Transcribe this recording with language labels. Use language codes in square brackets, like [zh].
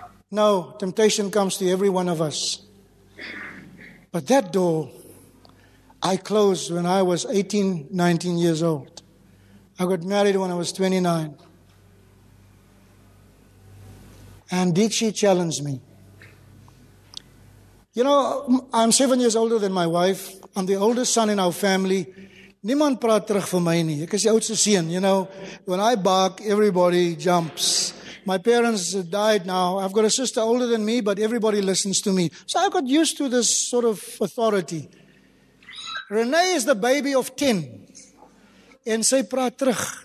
[en] No, temptation comes to every one of us. But that door, I closed when I was 18, 19 years old. I got married when I was 29. And did she challenge me? You know, I'm 7 years older than my wife. I'm the oldest son in our family. [af] Niemand praat terug vir my nie. Ek is die oudste seun, [en] you know. When I bark, everybody jumps. My parents died now. I've got a sister older than me, but everybody listens to me. So I got used to this sort of authority. Renee is the baby of 10. [af] En sy praat terug.